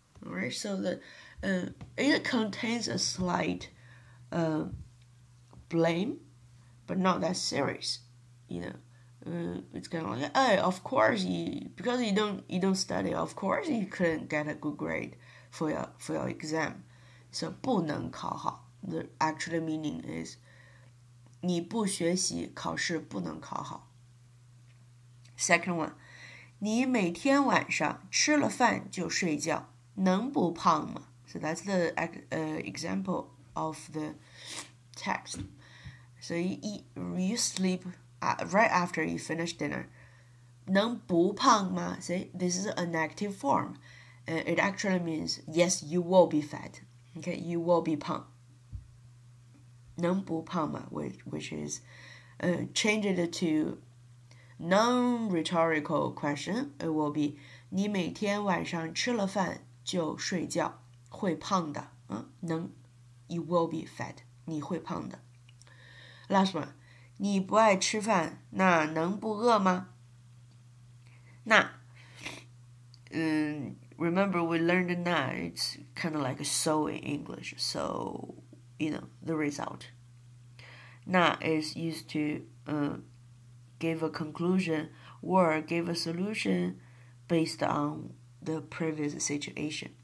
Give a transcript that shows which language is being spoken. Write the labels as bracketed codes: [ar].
[en] All right, so it contains a slight blame, but not that serious. You know, it's kind of like, oh, of course, because you don't study, of course you couldn't get a good grade for your exam. So, [zh] 不能考好, [en] the actual meaning is, [zh] 你不学习考试不能考好. [en] Second one, [zh] 你每天晚上吃了饭就睡觉,能不胖吗? [en] So that's the example of the text. So you sleep... right after you finish dinner. [zh] 能不胖吗? [en] See, this is a negative form. It actually means, yes, you will be fat. Okay, you will be 胖. [zh] 能不胖吗? [en] Which is, change it to non-rhetorical question. It will be, [zh] 你每天晚上吃了饭就睡觉,会胖的。 [en] You will be fat. [zh] 你会胖的。 [en] Last one. [zh] 你不爱吃饭，那能不饿吗？ [en] 那，remember we learned that it's kind of like so in English. So, you know, the result. 那 is used to give a conclusion or give a solution based on the previous situation.